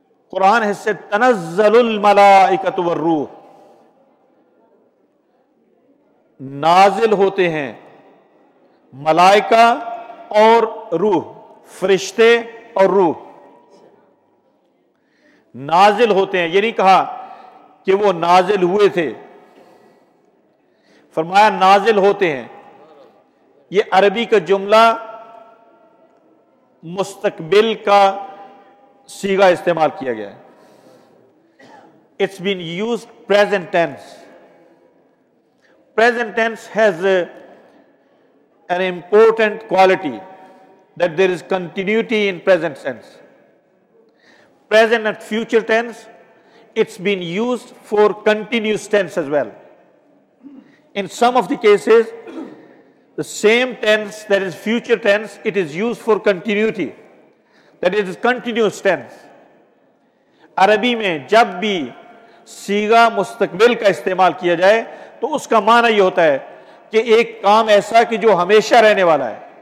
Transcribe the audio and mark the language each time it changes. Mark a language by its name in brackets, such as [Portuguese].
[Urdu] قرآن [English] has سے [Arabic] تنزل الملائکۃ والروح, [Urdu] نازل ہوتے ہیں ملائکہ اور روح, فرشتے اور روح نازل ہوتے ہیں. یہ نہیں کہا کہ وہ نازل ہوئے تھے, فرمایا نازل ہوتے ہیں. یہ عربی کا جملہ مستقبل کا صیغہ استعمال کیا گیا ہے, [English] It's been used present tense. Present tense has an important quality that there is continuity in present tense. Present and future tense, it's been used for continuous tense as well. In some of the cases, the same tense that is future tense, it is used for continuity. That it is continuous tense. [Urdu] Arabi mein jab bhi صیغہ مستقبل کا استعمال کیا جائے تو اس کا معنی یہ ہوتا ہے کہ ایک کام ایسا کہ جو ہمیشہ رہنے والا ہے۔